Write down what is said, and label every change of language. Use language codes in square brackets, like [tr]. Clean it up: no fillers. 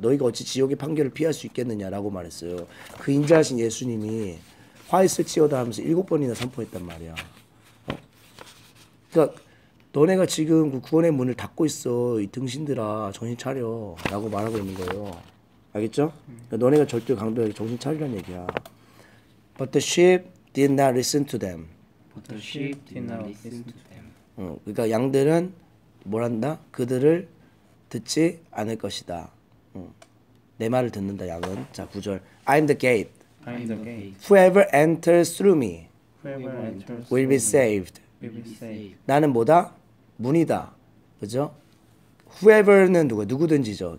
[ko] 너희가 어찌 지옥의 판결을 피할 수 있겠느냐라고 말했어요. 그 인자하신 예수님이 화 있을지어다 하면서 7번이나 선포했단 말이야. 그러니까 너네가 지금 그 구원의 문을 닫고 있어. 이 등신들아 정신 차려 라고 말하고 있는 거예요. 알겠죠? 그러니까 너네가 절대 강도에게 정신 차리란 얘기야. [en] But the sheep did not listen to them. But the sheep did not listen to them. [ko] 그러니까 양들은 뭐란다? 그들을 듣지 않을 것이다. 내 말을 듣는다 양은. 자, 9절. [en] I am the gate. Whoever enters through me will be saved. [ko] 나는 뭐다? 문이다. 그죠? Whoever는 누구야? 누구든지죠.